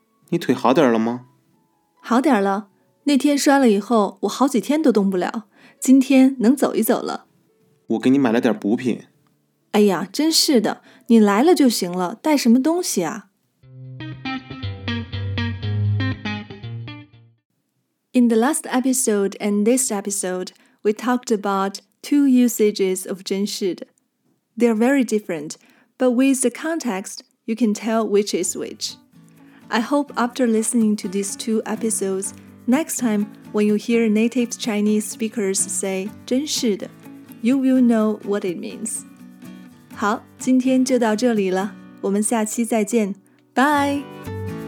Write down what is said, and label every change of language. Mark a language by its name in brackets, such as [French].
[Chinese] 你腿好点了吗？好点了。那天摔了以后，我好几天都动不了，今天能走一走了。我给你买了点补品。哎呀，真是的，你来了就行了，带什么东西啊？ [English] In the last episode and this episode, we talked about two usages of 真是的。 They are very different, but with the context, you can tell which is which. I hope after listening to these two episodes,Next time, when you hear native Chinese speakers say 真是的, you will know what it means. [Chinese] 好,今天就到这里了,我们下期再见, [English] Bye!